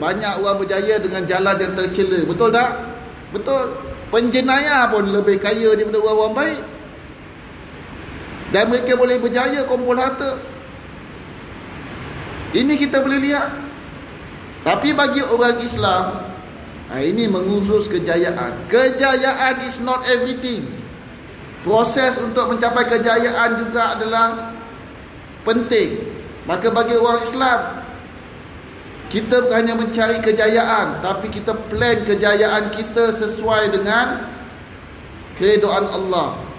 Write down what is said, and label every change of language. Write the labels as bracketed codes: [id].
[ms] Banyak orang berjaya dengan jalan yang tercela. Betul tak? Betul. Penjenayah pun lebih kaya daripada orang-orang baik. Dan mereka boleh berjaya kumpul harta. Ini kita boleh lihat. Tapi bagi orang Islam, ini mengurus kejayaan. [en] Kejayaan is not everything. [ms] Proses untuk mencapai kejayaan juga adalah penting. Maka bagi orang Islam, kita bukan hanya mencari kejayaan, tapi kita plan kejayaan kita sesuai dengan keridaan Allah.